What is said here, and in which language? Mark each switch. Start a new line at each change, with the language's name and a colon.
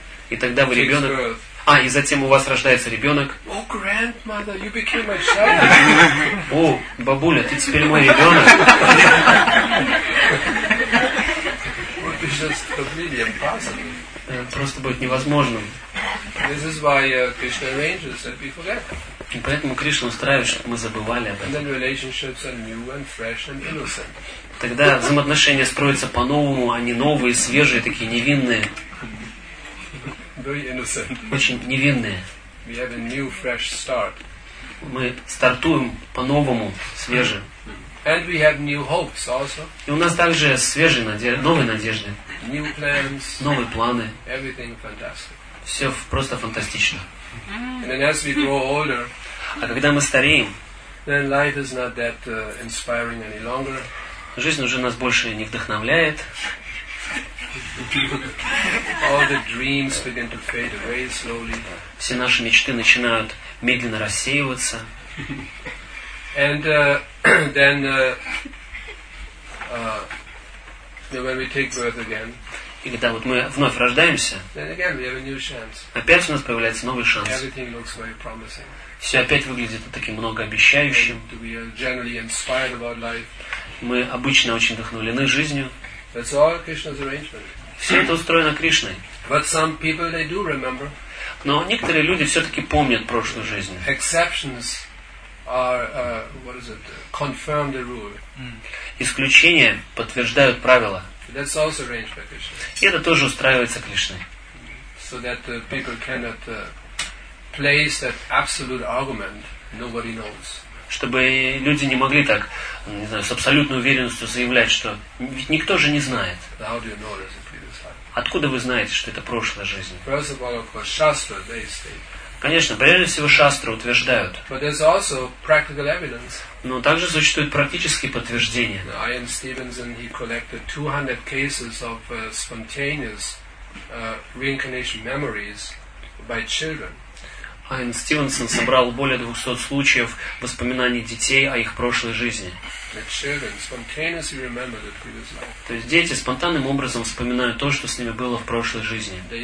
Russian: И тогда вы ребенок. А, и затем у вас рождается ребенок.
English: Oh, grandmother, you became my child.
Russian: О, бабуля, ты теперь мой ребенок. Просто будет невозможным.
English: This is why Krishna arranges that we forget.
Russian: И поэтому Кришна устраивает, чтобы мы забывали об этом.
English: And then relationships are new and fresh and innocent.
Russian: Тогда взаимоотношения строятся по-новому, они новые, свежие, такие невинные.
English: Very innocent.
Russian: Очень невинные.
English: We have a new, fresh start.
Russian: Мы стартуем по-новому, свежим.
English: And we have new hopes also.
Russian: И у нас также свежие надежды, новые надежды.
English: New plans.
Russian: Новые планы.
English: Everything fantastic.
Russian: Все просто фантастично.
English: And then as we grow older,
Russian: а когда мы стареем,
English: then life is not that inspiring any longer.
Russian: Жизнь уже нас больше не вдохновляет.
English: All the dreams begin to fade away slowly.
Russian: Все наши мечты начинают медленно рассеиваться.
English: And then when we take birth again.
Russian: И когда вот мы вновь рождаемся.
English: Then again we have a new chance.
Russian: Опять у нас появляется новый шанс.
English: Everything looks very promising.
Russian: Все опять выглядит таким многообещающим.
English: And we are generally inspired about life.
Russian: Мы обычно очень вдохновлены жизнью.
English: That's all Krishna's arrangement.
Russian: Все это устроено Кришной.
English: But some people, they do remember.
Russian: Но некоторые люди все-таки помнят прошлую жизнь.
English: Exceptions are, what is it, confirm the rule.
Russian: Исключения подтверждают правила.
English: That's also arranged by Krishna.
Russian: И это тоже устраивается Кришной.
English: So that people cannot place that absolute argument nobody knows.
Russian: Чтобы люди не могли так, не знаю, с абсолютной уверенностью заявлять, что ведь никто же не знает.
English: How do you know this?
Russian: Откуда вы знаете, что это прошлая жизнь?
English: First of all, of course, Shastra, they state.
Russian: Конечно, прежде всего, шастры утверждают.
English: But there's also practical evidence.
Russian: Но также существуют практические подтверждения.
English: I am Stevenson, he collected 200 cases of spontaneous reincarnation memories by children.
Russian: Айн Стивенсон собрал более 200 случаев воспоминаний детей о их прошлой жизни. То есть дети спонтанным образом вспоминают то, что с ними было в прошлой жизни.